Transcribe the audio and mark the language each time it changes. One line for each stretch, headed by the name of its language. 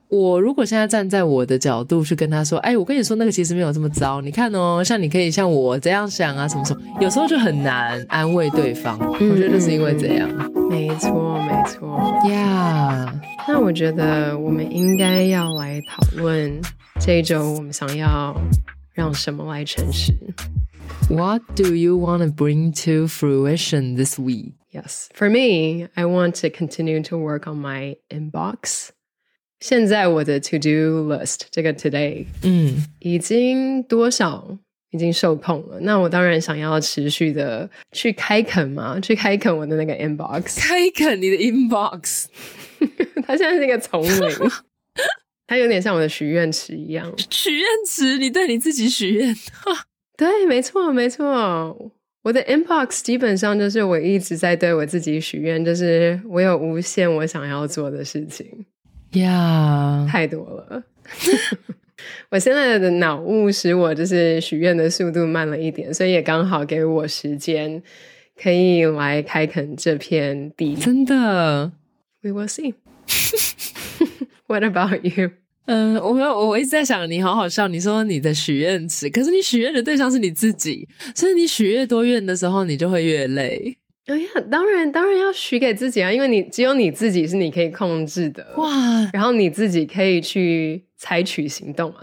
Chinese: 我如果现在站在我的角度去跟他说，哎，我跟你说那个其实没有这么糟，你看哦，像你可以像我这样想啊什么什么，有时候就很难安慰对方。我觉得是因为这样，没错没错呀。那我觉得我们应该要来讨论这一周我们想要让什么来诚实。
English: What do you want to bring to fruition this week? Yes, for me, I want to continue to work on my inbox.
Chinese: 现在我的 to-do list, 这个 today, 已经多少已经受控了，那我当然想要持续的去开垦嘛，去开垦我的那个 inbox。开垦你的 inbox 它现在是一个丛林它有点像我的许愿池一样。许愿池，你对你自己许愿对，没错没错，我的 inbox 基本上就是我一直在对我自己许愿，就是我有无限我想要做的事情呀、yeah. 太多了我现在的脑雾使我就是许愿的速度慢了一点，所以也刚好给我时间可以来开垦这片地。真的
English: We will see What about you?
Chinese: 我一直在想你好好笑，你说你的许愿池，可是你许愿的对象是你自己，所以你许越多愿的时候你就会越累。哎呀，当然当然要许给自己啊，因为你只有你自己是你可以控制的。哇，然后你自己可以去采取行动嘛。